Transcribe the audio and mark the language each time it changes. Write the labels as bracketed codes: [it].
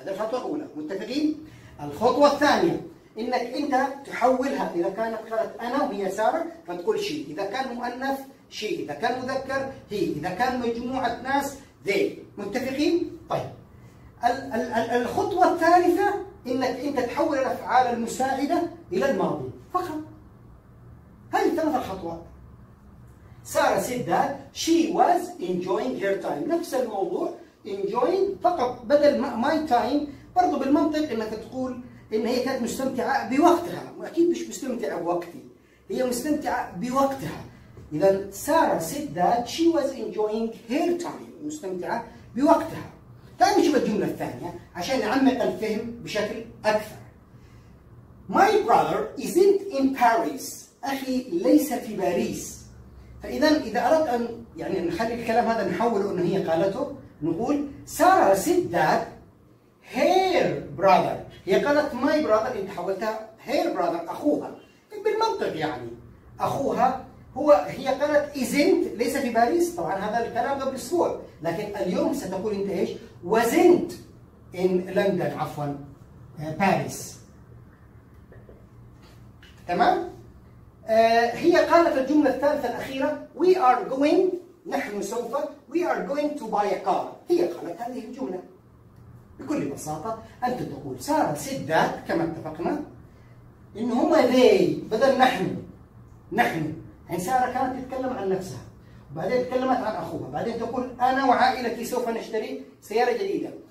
[ar] هذه الخطوه الاولى متفقين. الخطوه الثانيه انك انت تحولها اذا كانت قالت انا وهي ساره فتقول شيء. اذا كان مؤنث شيء، اذا كان مذكر هي، اذا كان مجموعه ناس ذي. متفقين؟ طيب الخطوه الثالثه انك انت تحول الافعال المساعده الى الماضي فقط. هذه ثلاث خطوات. [en] Sarah said that she was enjoying her time. [ar] نفس الموضوع [en] enjoying [ar] فقط بدل [en] my time. [ar] برضو بالمنطق انك تقول ان هي كانت مستمتعه بوقتها، اكيد مش مستمتعه بوقتي، هي مستمتعه بوقتها. [en] اذا Sarah said that she was enjoying her time، [ar] مستمتعه بوقتها. تعال نشوف الجمله الثانيه عشان نعمق الفهم بشكل اكثر. [en] My brother isn't in Paris. [ar] اخي ليس في باريس. فاذا اذا اردت ان يعني نخلي الكلام هذا نحوله انه هي قالته، نقول ساره [en] said that her brother. [ar] هي قالت [en] my brother، [ar] انت حولتها [en] her brother [ar] اخوها. بالمنطق يعني اخوها هو. هي قالت [en] isn't [ar] ليس في باريس، طبعا هذا الكلام قبل اسبوع، لكن اليوم ستقول انت ايش؟ [en] wasn't in London [ar] عفوا باريس. تمام؟ هي قالت الجملة الثالثة الأخيرة [en] we are going، [ar] نحن سوف [en] we are going to buy a car. [ar] هي قالت هذه الجملة. بكل بساطة أنت تقول سارة سدات كما اتفقنا إن هما [en] they [ar] بدل نحن. نحن يعني سارة كانت تتكلم عن نفسها وبعدين تكلمت عن أخوها، بعدين تقول أنا وعائلتي سوف نشتري سيارة جديدة.